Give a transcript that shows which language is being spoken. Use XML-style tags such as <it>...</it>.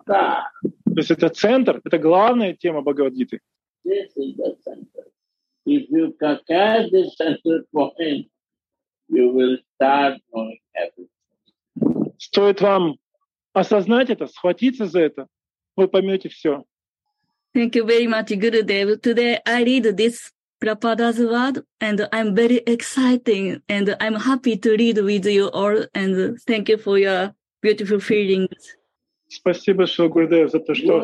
<ru>То есть это центр, это главная тема Бхагавад Гиты.</ru> <en>This is the center. If you conquer this central point, you will start knowing everything.</en> <ru>Стоит вам осознать это, схватиться за это, вы поймете все.</ru> <en>Thank you very much, Gurudev. Today I read this Prabhupada's word and I'm very exciting and I'm happy to read with you all and thank you for your beautiful feelings.</en> <ru>Спасибо, что Гурудев, за то, что...</ru>